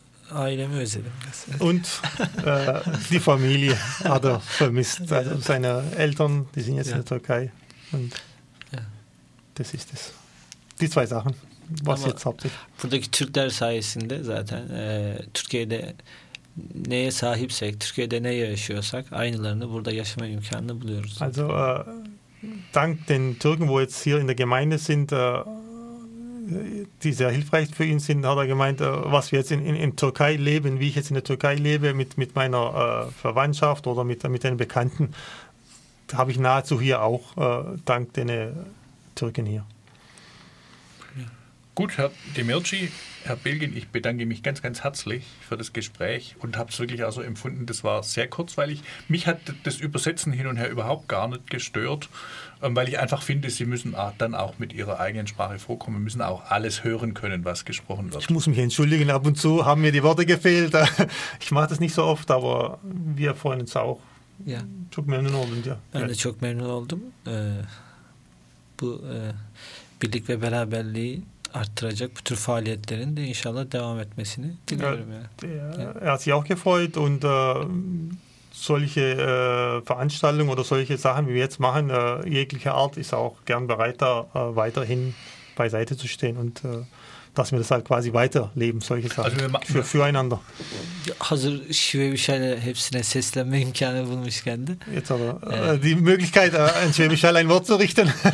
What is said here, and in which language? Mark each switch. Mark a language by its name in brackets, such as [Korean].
[Turkish] Ailemi özledim. [German] Und die Familie hat er vermisst. Also seine Eltern, die sind jetzt in der Türkei. Und das ist es. Die zwei Sachen, was Ama jetzt hauptsächlich. [Turkish] Buradaki Türkler sayesinde zaten Türkiye'de neye sahipsek, Türkiye'de ne yaşıyorsak aynılarını burada yaşama imkanını buluyoruz. [German] Also dank den Türken, wo jetzt hier in der Gemeinde sind, die sehr hilfreich für ihn sind, hat er gemeint, was wir jetzt in Türkei leben, wie ich jetzt in der Türkei lebe, mit meiner Verwandtschaft oder mit den Bekannten, habe ich nahezu hier auch, dank den Türken hier. Gut, Herr Demirci, Herr Bilgin, ich bedanke mich ganz, ganz herzlich für das Gespräch und habe es wirklich also empfunden, das war sehr kurzweilig. Mich hat das Übersetzen hin und her überhaupt gar nicht gestört, weil ich einfach finde, Sie müssen dann auch mit Ihrer eigenen Sprache vorkommen, müssen auch alles hören können, was gesprochen wird. Ich muss mich entschuldigen, ab und zu haben mir die Worte gefehlt. Ich mache das nicht so oft, aber wir freuen uns auch. Ja. [Turkish] Çok memnun oldum. [German] Ja. [Turkish] Ben de çok memnun oldum. Bu birlik ve beraberliği arttıracak bu tür faaliyetlerin de inşallah devam etmesini diliyorum. Yani. [German] Er hat sich auch gefreut und solche Veranstaltungen oder solche Sachen, wie wir jetzt machen, jeglicher Art, ist auch gern bereit, da weiterhin beiseite zu stehen und dass wir das halt quasi weiterleben, solche Sachen, also füreinander. [Turkish] Hazır Şivemişal'e hepsine seslenme imkanı bulmuşken de. [German] Jetzt aber die Möglichkeit, an Şivemişal ein Wort zu richten.